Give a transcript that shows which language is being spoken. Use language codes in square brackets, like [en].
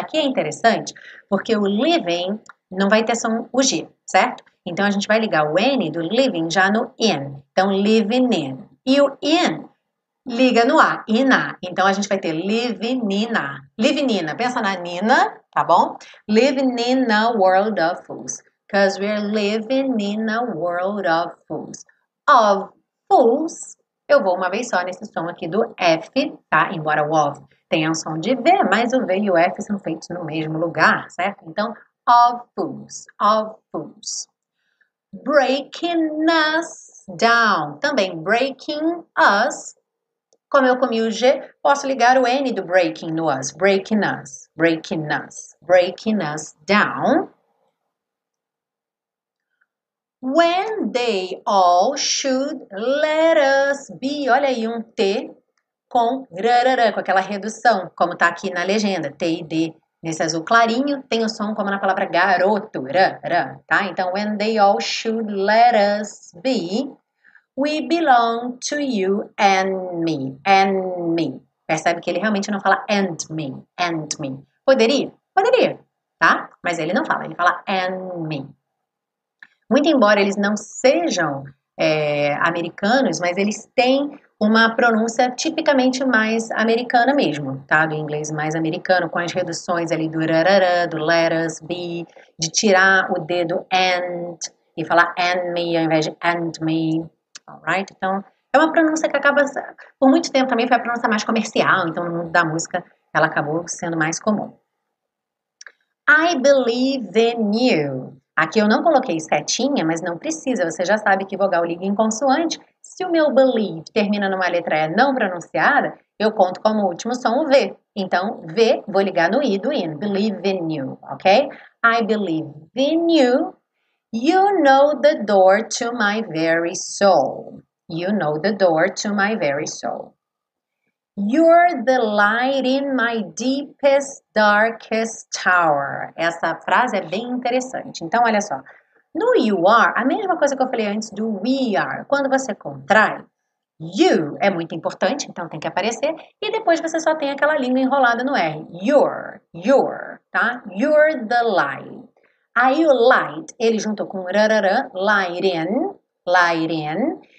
[pt] Daqui é interessante, porque o living não vai ter som o G, certo? Então, a gente vai ligar o N do living já no in. Então, living in. E o in... liga no A, Ina. Então, a gente vai ter Livinina. Livinina, pensa na Nina, tá bom? [en] Living in a world of fools. Because we're living in a world of fools. [pt] Of fools, eu vou uma vez só nesse som aqui do F, tá? Embora o of tenha um som de V, mas o V e o F são feitos no mesmo lugar, certo? Então, of fools, of fools. [en] Breaking us down. [pt] Também, breaking us. Como eu comi o G, posso ligar o N do breaking no us. [en] Breaking us. Breaking us. Breaking us down. When they all should let us be. [pt] Olha aí um T com rarará, com aquela redução, como tá aqui na legenda. T e D. Nesse azul clarinho, tem o som como na palavra garoto. Rarará, tá? Então, [en] when they all should let us be. We belong to you and me. And me. [pt] Percebe que ele realmente não fala and me. And me. Poderia? Poderia. Tá? Mas ele não fala. Ele fala and me. Muito embora eles não sejam americanos, mas eles têm uma pronúncia tipicamente mais americana mesmo. Tá? Do inglês mais americano, com as reduções ali do rarará, do let us be, de tirar o D do and e falar and me ao invés de and me. Alright? Então, é uma pronúncia que acaba, por muito tempo também foi a pronúncia mais comercial, então no mundo da música ela acabou sendo mais comum. [en] I believe in you. [pt] Aqui eu não coloquei setinha, mas não precisa. Você já sabe que vogal liga em consoante. Se o meu believe termina numa letra E não pronunciada, eu conto como último som o V. Então, V, vou ligar no I do in. [en] Believe in you, ok? I believe in you. You know the door to my very soul. You know the door to my very soul. You're the light in my deepest, darkest tower. [pt] Essa frase é bem interessante. Então, olha só. No you are, a mesma coisa que eu falei antes do we are. Quando você contrai, you é muito importante, então tem que aparecer. E depois você só tem aquela língua enrolada no R. You're, tá? [en] You're the light. [pt] Aí o light, ele juntou com rararã, light in.